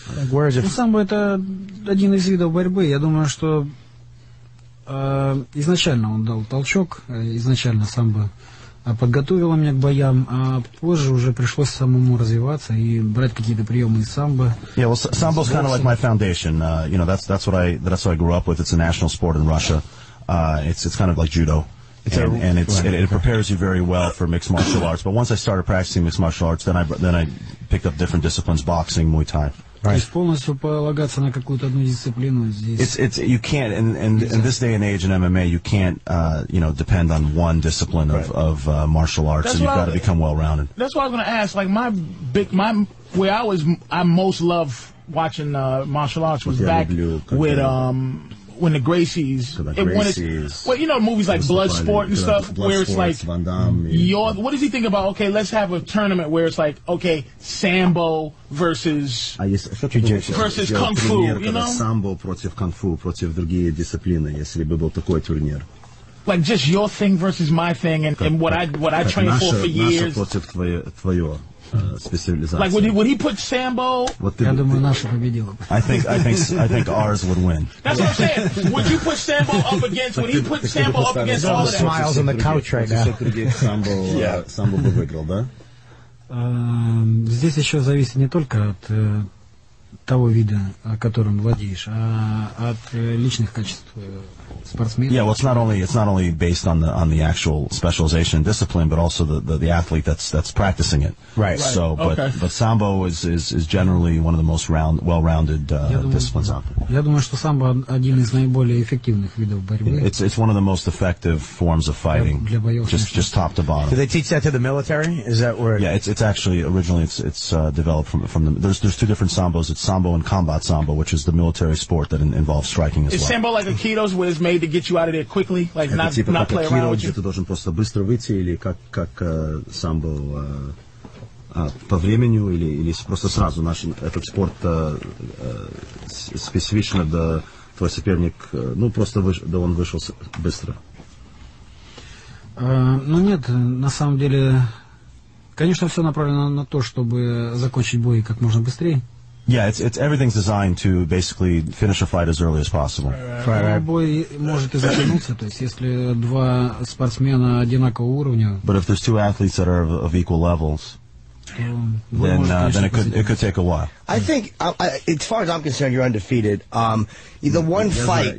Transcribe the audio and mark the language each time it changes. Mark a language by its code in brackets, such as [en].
[en] Where is it? [ru] Самбо это один из видов борьбы. Я думаю, что изначально он дал толчок, изначально самбо подготовило меня к боям, а позже уже пришлось самому развиваться и брать какие-то приемы из самбо. [en] Yeah, well, samba is kind of like my foundation. You know, that's what I grew up with. It's a national sport in Russia. It's kind of like judo, and it prepares you very well for mixed martial arts. But once I started practicing mixed martial arts, then I picked up different disciplines, boxing, Muay Thai. Right. [ru] Полностью полагаться на какую-то одну дисциплину здесь. [en] It's you can't in this day and age in MMA you can't you know depend on one discipline of martial arts, and you've got to become well rounded. That's what I was going to ask. Like I most love watching martial arts was back with when the Gracies, you know, movies like Bloodsport and stuff, where it's like, Van Damme, what does he think about, okay, let's have a tournament where it's like, okay, Sambo versus Kung Fu, you know? [ru] Sambo против Kung Fu, против другие дисциплины, если бы был такой турнир. [en] Like, just your thing versus my thing, and what I trained for years. [ru] Наша против твоего. [en] Like would he put Sambo? I think ours would win. That's what I'm saying. Would you put Sambo up against? Would he put Sambo up against all of them? Smiles on the couch right now. [ru] Sambo бы выиграл, да? Здесь еще зависит не только от того вида, которым владеешь, а от личных качеств спортсмена. [en] Yeah, well, it's not only based on the actual specialization discipline, but also the athlete that's practicing it. Right. So, but Sambo is generally one of the most well-rounded disciplines out there. [ru] Я думаю, что самбо один из наиболее эффективных видов борьбы. [en] It's one of the most effective forms of fighting. [ru] Для боев. [en] Just top to bottom. Do they teach that to the military? Is that where? Yeah, it's actually originally developed from the there's two different sambos. It's Sambo and Combat Sambo, which is the military sport that involves striking as well. Is Sambo like Aikido's, where it's made to get you out of there quickly, like not play around with you? [ru] Ты должен просто быстро выйти, или как Sambo по времени, или просто сразу? Наш этот спорт специфично, да твой соперник, ну просто да он вышел быстро. Ну нет, на самом деле, конечно, все направлено на то, чтобы закончить бой как можно быстрее. [en] Yeah, it's everything's designed to basically finish a fight as early as possible. But if there's two athletes that are of equal levels, then it could take a while. I think, as far as I'm concerned, you're undefeated. The one fight...